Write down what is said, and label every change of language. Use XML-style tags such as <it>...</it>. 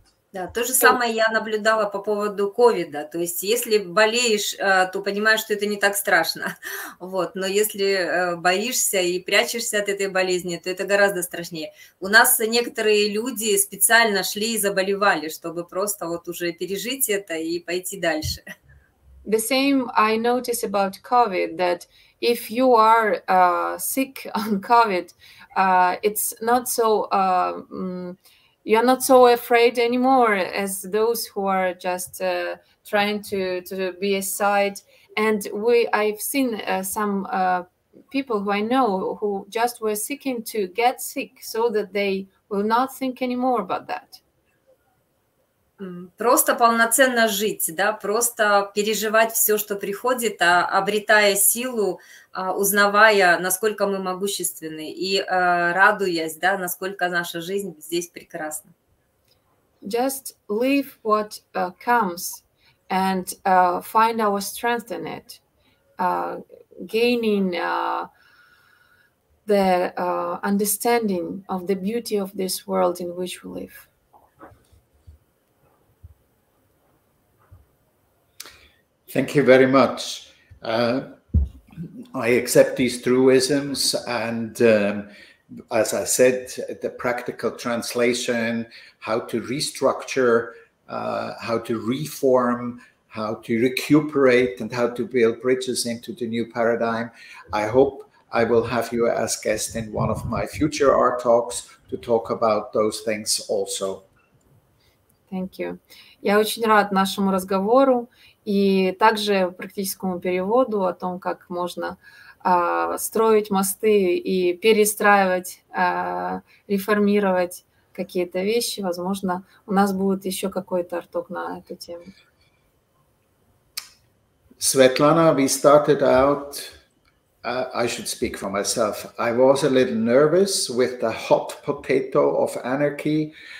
<ru>Да, то же самое я наблюдала по поводу ковида. То есть, если болеешь, то понимаешь, что это не так страшно. Вот. Но если боишься и прячешься от этой болезни, то это гораздо страшнее. У нас некоторые люди специально шли и заболевали, чтобы просто вот уже пережить это и пойти дальше.</ru> <en>The same I notice about COVID, that if you are sick on COVID, it's not so... You're not so afraid anymore as those who are just trying to be aside. And I've seen some people who I know who just were seeking to get sick so that they will not think anymore about that.</en> <ru>Просто полноценно жить, да, просто переживать все, что приходит, а обретая силу, узнавая, насколько мы могущественны, и радуясь, да, насколько наша жизнь здесь прекрасна.</ru> <en>Just live what comes and find our strength in it, gaining the understanding of the beauty of this world in which we live. Thank you very much. I accept these truisms, and as I said, the practical translation, how to restructure, how to reform, how to recuperate, and how to build bridges into the new paradigm. I hope I will have you as guest in one of my future art talks to talk about those things also. Thank you.</en> <ru>Я очень рад нашему разговору и также практическому переводу о том, как можно строить мосты и перестраивать, реформировать какие-то вещи. Возможно, у нас будет еще какой-то арт-ток на эту тему.</ru> <en>Svetlana, we started out, I should speak for myself. I was a little nervous with the hot potato of anarchy.</en>